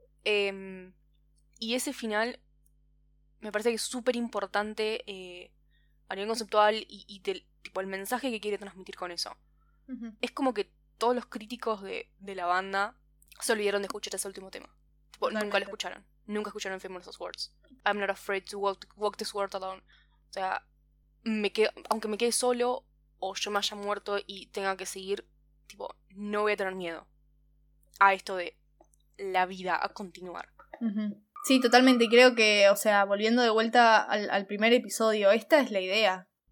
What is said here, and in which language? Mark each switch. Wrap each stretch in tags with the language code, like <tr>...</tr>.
<es>Y ese final me parece que es súper importante a nivel conceptual y del tipo el mensaje que quiere transmitir con eso. Uh-huh. Es como que todos los críticos de la banda se olvidaron de escuchar ese último tema. Tipo, nunca lo escucharon. Nunca escucharon</es> <en>Famous as Words. I'm not afraid to walk this world alone.</en> <es>O sea, aunque me quede solo, o yo me haya muerto y tenga que seguir, tipo, no voy a tener miedo a esto de la vida, a continuar. Sí, totalmente, y creo que, o sea, volviendo de vuelta al primer episodio, esta es la idea.</es>